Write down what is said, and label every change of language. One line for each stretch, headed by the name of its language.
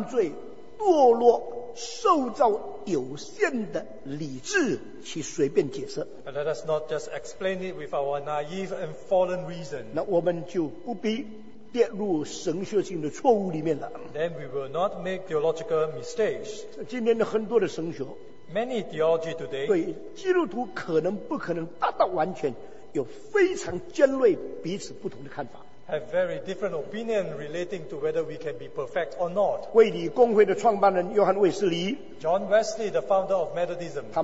Chinese: 我们不能用很幼稚的犯罪堕落， 受造有限的理智去随便解释。
English: Let us not just explain it with our naive and fallen reason.
Chinese: 那我们就不必跌入神学性的错误里面了。
English: Then we will not make theological mistakes.
Chinese: 今天的很多的神学，
English: many theology today，
Chinese: 对基督徒可能不可能达到完全有非常尖锐彼此不同的看法。
English: Have very different opinion relating to whether we can be perfect or not.
Chinese: 卫理公会的创办人约翰卫斯理，
English: John Wesley, the founder of Methodism，